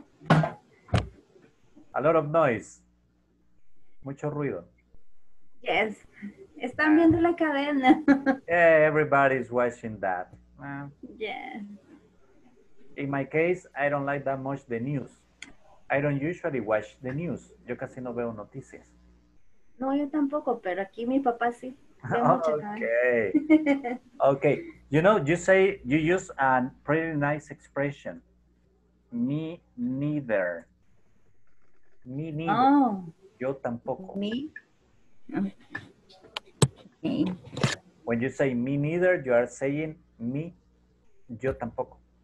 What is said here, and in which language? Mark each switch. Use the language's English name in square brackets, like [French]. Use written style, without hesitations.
[English] A lot of noise. [Spanish] Mucho ruido. Yes. Están viendo la cadena. [English] Yeah, everybody's watching that. Yeah. In my case, I don't like that much the news. I don't usually watch the news. [Spanish] Yo casi no veo noticias. No, yo tampoco, pero aquí mi papá sí. [English] Okay. Okay. You know, you say, you use a pretty nice expression. Me neither. Me neither. Oh. [Spanish] Yo tampoco. [English] Me? When you say me neither, you are saying me, [Spanish] yo tampoco.